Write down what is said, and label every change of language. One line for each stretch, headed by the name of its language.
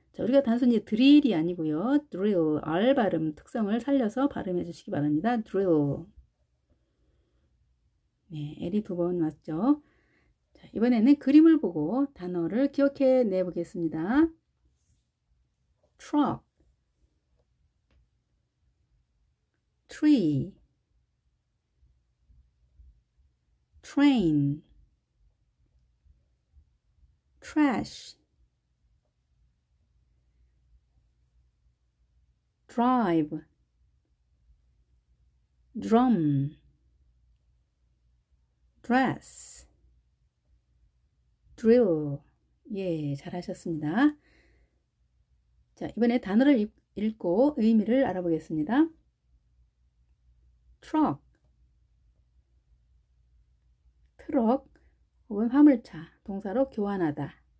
Korean: 자, 우리가 단순히 드릴이 아니고요. 드릴 R 발음 특성을 살려서 발음해 주시기 바랍니다. 드릴. 네, L이 두번 왔죠. 자, 이번에는 그림을 보고 단어를 기억해 내 보겠습니다.
English: truck tree train trash, drive, drum, dress, drill.
Korean: 예, 잘하셨습니다. 자, 이번에 단어를 읽고 의미를 알아보겠습니다. truck, 트럭 혹은 화물차, 동사로 교환하다.